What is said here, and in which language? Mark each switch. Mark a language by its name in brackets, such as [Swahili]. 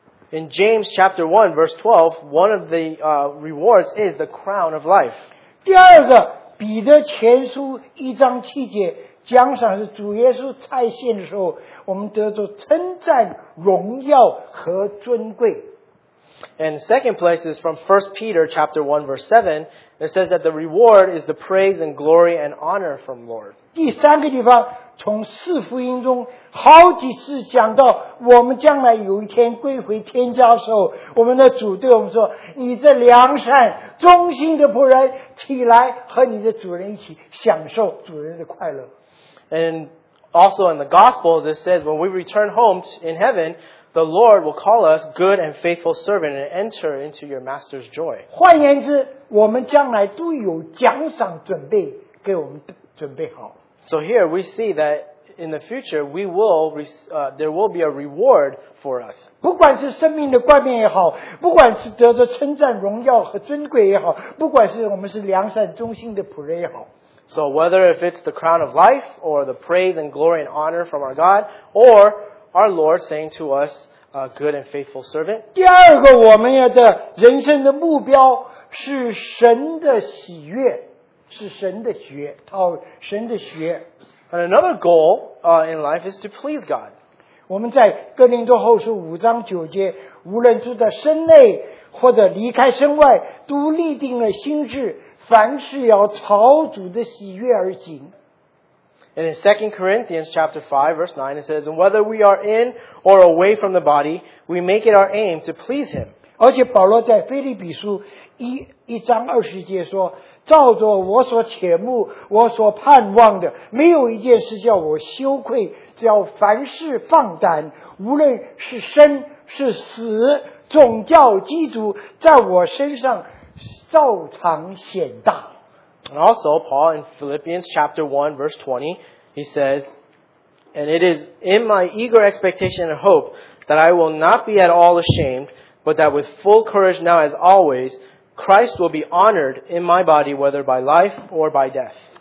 [English] In James chapter 1, verse 12, one of the rewards is the crown of life. [Chinese] 第二个，彼得前书一章七节，奖赏是主耶稣再现的时候，我们得着称赞、荣耀和尊贵。 [English] And second place is from 1 Peter chapter 1, verse 7. It says that the reward is the praise and glory and honor from the Lord. [Chinese] 第三个地方，从四福音中好几次讲到，我们将来有一天归回天家的时候，我们的主对我们说，你这良善忠心的仆人，起来和你的主人一起享受主人的快乐。 [English] And also in the Gospels, it says when we return home in heaven,The Lord will call us good and faithful servant and enter into your master's joy. [Chinese] 换言之，我们将来都有奖赏准备给我们准备好。 [English] So here we see that in the future we will there will be a reward for us. [Chinese] 不管是生命的冠冕也好，不管是得着称赞、荣耀和尊贵也好，不管是我们是良善忠心的仆人也好。 [English] So whether if it's the crown of life or the praise and glory and honor from our God or Our Lord saying to us, a good and faithful servant. [Chinese] 第二个我们的人生的目标是神的喜悦，是神的喜悦，讨神的喜悦。 [English] And another goal, in life is to please God. [Chinese] 我们在哥林多后书五章九节，无论住在身内或者离开身外，都立定了心志，凡事要朝主的喜悦而行。 [English] And in 2 Corinthians chapter 5, verse 9, it says, And whether we are in or away from the body, we make it our aim to please Him. [Chinese] 而且保罗在腓立比书 1章20节说，照着我所切慕，我所盼望的，没有一件事叫我羞愧，只要凡事放胆，无论是生是死，总叫基督在我身上照常显大。 [English] And also, Paul in Philippians chapter 1, verse 20, he says, And it is in my eager expectation and hope that I will not be at all ashamed, but that with full courage now as always, Christ will be honored in my body, whether by life or by death.